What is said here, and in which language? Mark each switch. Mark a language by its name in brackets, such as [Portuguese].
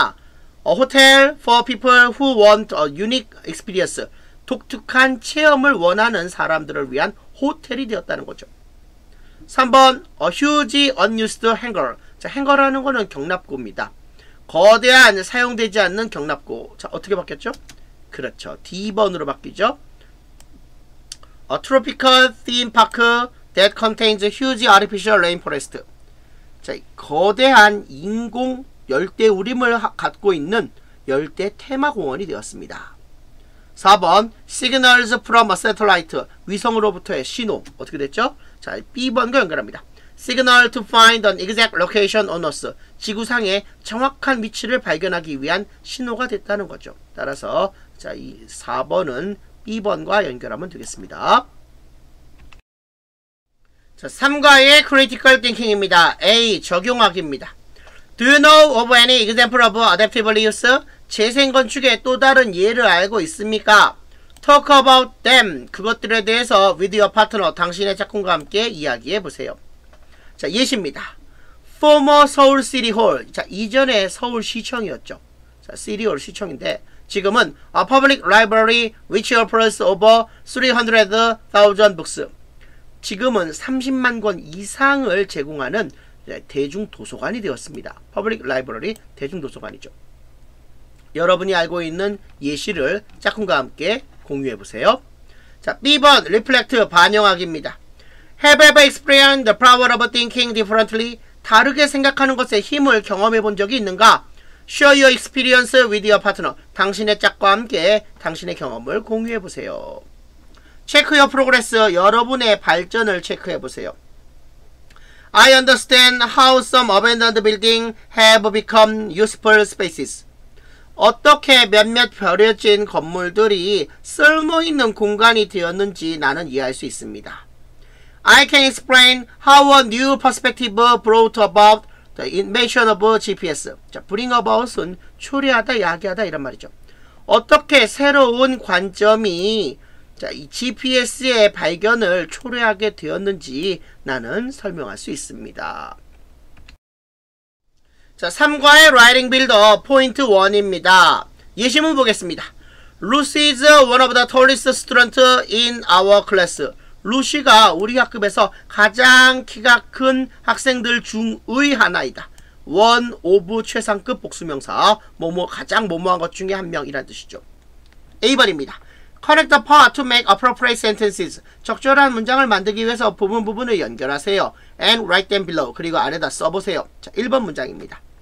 [English] A hotel for people who want a unique experience, [Korean] 독특한 체험을 원하는 사람들을 위한 호텔이 되었다는 거죠. [English] 3번, a huge unused hangar. [Korean] 자, hangar라는 거는 경납고입니다. 거대한 사용되지 않는 경납고. 자, 어떻게 바뀌었죠? 그렇죠. D번으로 바뀌죠. [English] A tropical theme park that contains a huge artificial rainforest. [Korean] 자, 거대한 인공 열대 우림을 갖고 있는 열대 테마 공원이 되었습니다. 4번, [English] signals from a satellite, [Korean] 위성으로부터의 신호. 어떻게 됐죠? 자, B번과 연결합니다. [English] Signal to find an exact location on Earth, [Korean] 지구상의 정확한 위치를 발견하기 위한 신호가 됐다는 거죠. 따라서 자, 이 4번은 B번과 연결하면 되겠습니다. 자, 3과의 critical thinking입니다. A, 적용하기입니다. [English] Do you know of any example of adaptive reuse? [Korean] 재생건축의 또 다른 예를 알고 있습니까? [English] Talk about them. [Korean] 그것들에 대해서 [English] with your partner, [Korean] 당신의 작품과 함께 이야기해 보세요. 자, 예시입니다. [English] Former Seoul City Hall. [Korean] 자, 이전에 서울시청이었죠. 자, City Hall 시청인데 지금은 [English] a public library which offers over 300,000 books. [Korean] 지금은 30만 권 이상을 제공하는 대중도서관이 되었습니다. Public Library, 대중도서관이죠. 여러분이 알고 있는 예시를 짝꿍과 함께 공유해 보세요. 자, B번, Reflect, 반영하기입니다. [English] Have ever experienced the power of thinking differently? [Korean] 다르게 생각하는 것의 힘을 경험해 본 적이 있는가? [English] Share your experience with your partner. [Korean] 당신의 짝과 함께 당신의 경험을 공유해 보세요. [English] Check your progress. [Korean] 여러분의 발전을 체크해 보세요. [English] I understand how some abandoned buildings have become useful spaces. [Korean] 어떻게 몇몇 버려진 건물들이 쓸모있는 공간이 되었는지 나는 이해할 수 있습니다. [English] I can explain how a new perspective brought about the invention of GPS. [Korean] 자, bring about은 초래하다, 야기하다 이런 말이죠. 어떻게 새로운 관점이 자, 이 GPS의 발견을 초래하게 되었는지 나는 설명할 수 있습니다. 자, 3과의 Writing Builder 포인트 1입니다. 예시문 보겠습니다. [English] Lucy is one of the tallest students in our class. [Korean] 루시가 우리 학급에서 가장 키가 큰 학생들 중의 하나이다. One of 최상급 복수명사, 뭐뭐 가장 뭐뭐한 것 중에 한 명이란 뜻이죠. A번입니다. [English] Connect the part to make appropriate sentences. [Korean] 적절한 문장을 만들기 위해서 부분 부분을 연결하세요. [English] And write them below. [Korean] 그리고 아래다 써보세요. 자, 1번 문장입니다.